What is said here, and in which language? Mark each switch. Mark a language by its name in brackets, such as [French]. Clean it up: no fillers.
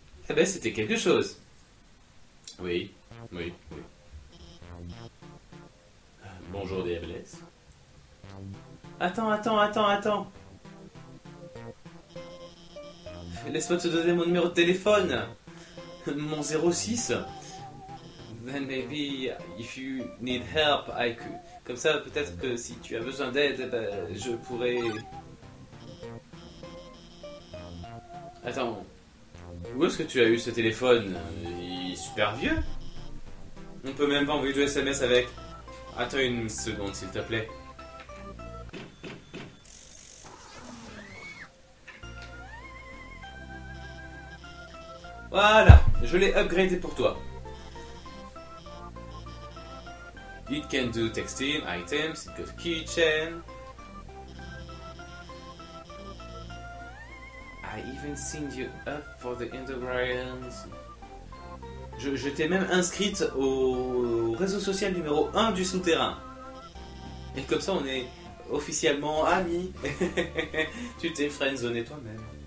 [French] Eh ben, c'était quelque chose. Oui. Oui. Bonjour, DMLS. Attends. Laisse-moi te donner mon numéro de téléphone. Mon 06. [English] Then maybe if you need help, I could... [French] Comme ça, peut-être que si tu as besoin d'aide, bah, je pourrais... Attends. Où est-ce que tu as eu ce téléphone? Il est super vieux. On peut même pas envoyer de SMS avec. Attends une seconde, s'il te plaît. Voilà, je l'ai upgradé pour toi. [English] It can do texting, items, it got keychain. I even signed you up for the Underground. [French] Je t'ai même inscrite au réseau social numéro 1 du souterrain. Et comme ça, on est officiellement amis. Tu t'es friendzoné toi-même.